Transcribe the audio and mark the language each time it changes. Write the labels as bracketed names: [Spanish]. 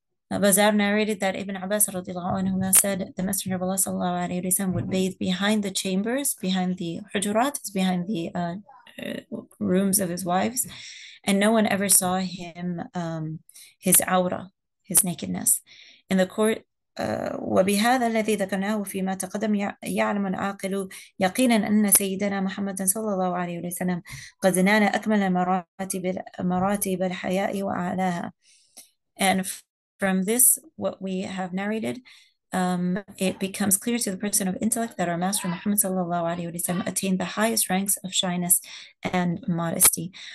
[English] Bazar narrated that Ibn Abbas radiallahu anhu said the Messenger of Allah sallallahu alaihi wasallam would bathe behind the chambers, behind the hujurat, behind the rooms of his wives, and no one ever saw him, his awrah, his nakedness. In the court, [Arabic] وبهذا الذي ذكرناه فيما تقدم يعلم العاقل يقينا أن سيدنا محمد صلى الله عليه وسلم قد نال أكمل مراتب الحياء وأعلاها. [English] And from this, what we have narrated, it becomes clear to the person of intellect that our master Muhammad sallallahu alaihi wasallam attained the highest ranks of shyness and modesty.